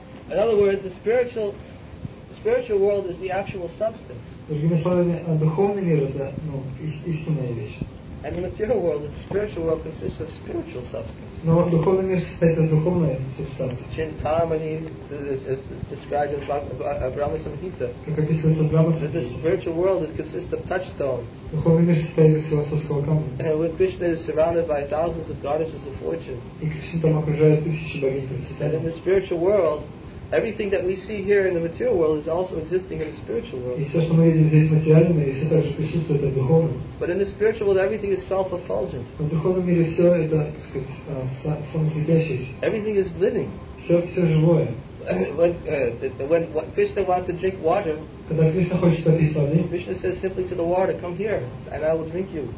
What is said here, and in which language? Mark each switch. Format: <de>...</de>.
<en>In other words, the spiritual world is the actual substance. And the material world, the spiritual world, consists of spiritual substance.</en> <ru>Но духовный мир состоит из духовной субстанции.</ru> <en>Чинтамани, as described in Brahma Samhita.</en> <ru>Как описывается в Брахма Самхите.</ru> <en>The spiritual world consists of touchstone.</en> <ru>Духовный мир состоит из философского камня.</ru> <en>And when Krishna is surrounded by thousands of goddesses of fortune.</en> <ru>И Кришна там окружает тысячи богинь принципе.</ru> <en>And in the spiritual world, everything that we see here in the material world is also existing in the spiritual world. But in the spiritual world, everything is self-effulgent. Everything is living. When Krishna wants to drink water, Krishna says simply to the water, come here, and I will drink you.</en>